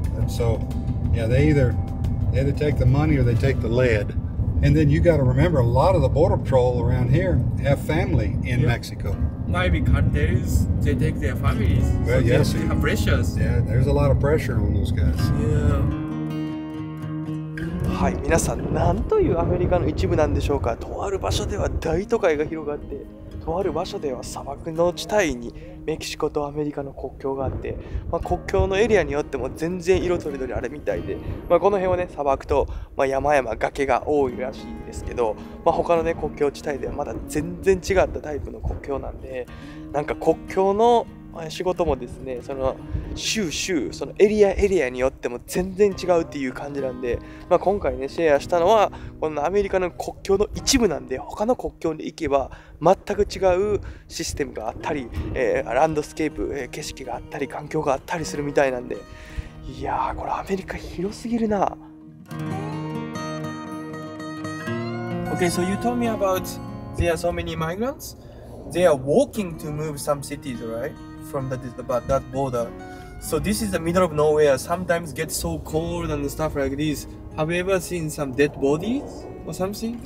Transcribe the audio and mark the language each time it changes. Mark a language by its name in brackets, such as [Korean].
[English] And so, yeah, they either take the money or they take the lead. And then you got to remember, a lot of the border patrol around here have family in Mexico. Maybe cartels, they take their families. Well, so yes, they have pressures. Yeah, there's a lot of pressure on those guys. Yeah. [Japanese] はい、皆さん、なんというアメリカの一部なんでしょうか。とある場所では大都会が広がって、とある場所では砂漠の地帯にメキシコとアメリカの国境があって、まあ、国境のエリアによっても全然色とりどりあるみたいで、まあ、この辺はね、砂漠と、まあ、山々、崖が多いらしいんですけど、まあ、他のね、国境地帯ではまだ全然違ったタイプの国境なんで、なんか国境の仕事もですね、その州そのエリアによっても全然違うっていう感じなんで、まあ、今回ねシェアしたのはこのアメリカの国境の一部なんで、他の国境に行けば全く違うシステムがあったり、ランドスケープ、景色があったり環境があったりするみたいなんで、いやー、これアメリカ広すぎるな。 [English] Okay, so you told me about there are so many migrants. They are walking to move some cities, right? From that border. So this is the middle of nowhere. Sometimes gets so cold and stuff like this. Have you ever seen some dead bodies or something?